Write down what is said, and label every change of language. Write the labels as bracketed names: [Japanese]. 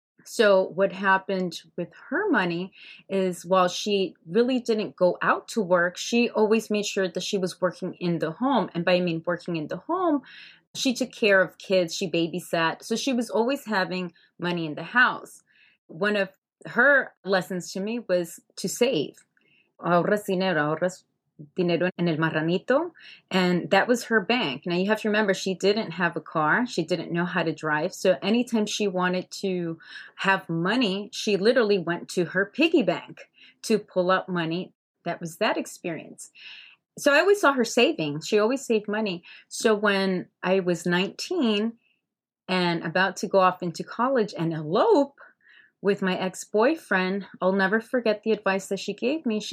[English] So what happened with her money is while she really didn't go out to work, she always made sure that she was working in the home. And by I mean working in the home, she took care of kids, she babysat. So she was always having money in the house. One of her lessons to me was to save. [Spanish] Ahorras dinero, ahorras dinero en el marranito. [English] And that was her bank. Now you have to remember, she didn't have a car. She didn't know how to drive. So anytime she wanted to have money, she literally went to her piggy bank to pull up money. That was that experience. So I always saw her saving. She always saved money. So when I was 19 and about to go off into college and elope with my ex-boyfriend, I'll never forget the advice that she gave me.